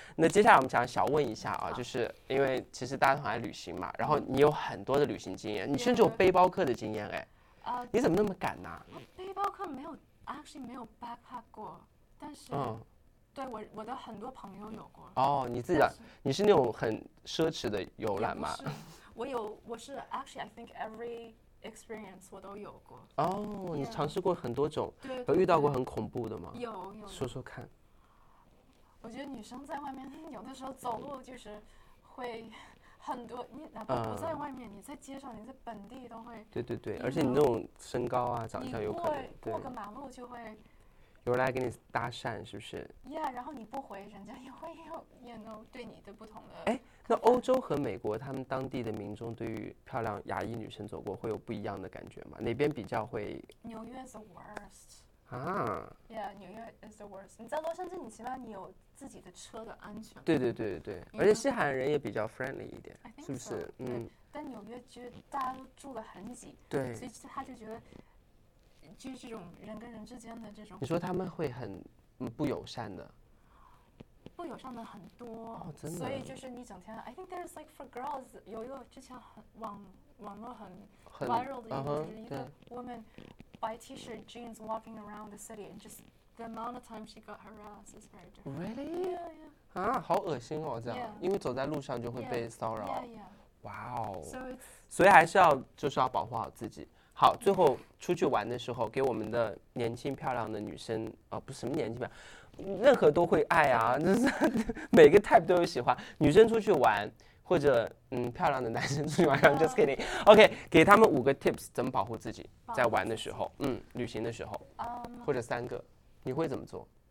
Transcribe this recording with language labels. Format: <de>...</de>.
<zh>那接下来我们想小问一下啊，就是因为其实大家都很爱旅行嘛，然后你有很多的旅行经验，你甚至有背包客的经验哎，你怎么那么敢呢、啊？背包客没有 ，actually 没有 backpack 过，但是。嗯对我的很多朋友有过哦，你自己你是那种很奢侈的游览吗？我是</zh> <en>actually I think every experience</en> <zh>我都有过哦、yeah. 你尝试过很多种，对对对，有遇到过很恐怖的吗？有说说看。我觉得女生在外面有的时候走路就是会很多，你哪怕不在外面、你在街上你在本地都会，对对对，而且你那种身高啊长相有可能过个马路就会有人来给你搭讪，是不是？Yeah， 然后你不回，人家也会有 ，</zh> <en>you know，</en> <zh>对你的不同的。哎，那欧洲和美国，他们当地的民众对于漂亮亚裔女生走过会有不一样的感觉吗？哪边比较会？</zh> <en>纽约 is the worst 啊！Yeah， 纽约 is the worst。</en> <zh>你在洛杉矶，你起码你有自己的车的安全。对对对对，</zh> <en>you know?</en> <zh>而且西海岸人也比较 friendly 一点，</zh> <en>I think so.</en> <zh>是不是？嗯。但纽约就大家都住得很挤，对，所以他就觉得。就是这种人跟人之间的这种，你说他们会很不友善的，不友善的很多、哦、真的，所以就是你整天</zh> <en>I think there's like for girls</en> <zh>有一个之前很网络很</zh> <en>viral</en> <zh>的一个、就是一个</zh> <en>woman by t-shirt jeans walking around the city and just the amount of time she got harassed is very different. Really? Yeah, yeah.</en> <zh>啊，好恶心哦，这样、</zh> <en>yeah.</en> <zh>因为走在路上就会被骚扰。</zh> <en>Yeah, yeah. Wow. So it's</en> <zh>所以还是要就是要保护好自己。好，最后出去玩的时候给我们的年轻漂亮的女生啊、不是什么年轻漂亮，任何都会爱啊，就是每个 type 都有喜欢，女生出去玩或者漂亮的男生出去玩、</zh> <en>just kidding OK</en> <zh>给他们五个 tips 怎么保护自己在玩的时候旅行的时候或者三个你会怎么做，</zh>